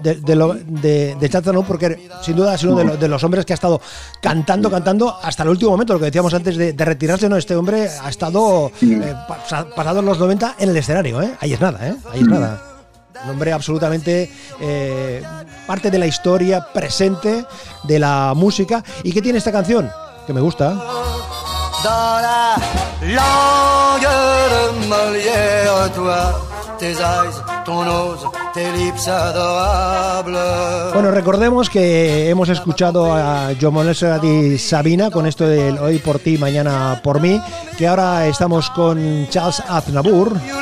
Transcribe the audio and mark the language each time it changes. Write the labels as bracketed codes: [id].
[es] De Chazanú, porque sin duda es uno de los hombres que ha estado cantando hasta el último momento, lo que decíamos antes de retirarse, ¿no? Este hombre ha estado pasados los 90 en el escenario, ¿eh? Ahí es nada, ¿eh? Ahí es nada. Un hombre absolutamente parte de la historia, presente de la música. ¿Y qué tiene esta canción? Que me gusta. [fr] Dans la langue de Molière, toi, tes eyes, ton nose, tes lips adorables. [es] Bueno, recordemos que hemos escuchado a Joe Molesa y Sabina con esto de Hoy por ti, mañana por mí, que ahora estamos con Charles Aznavour.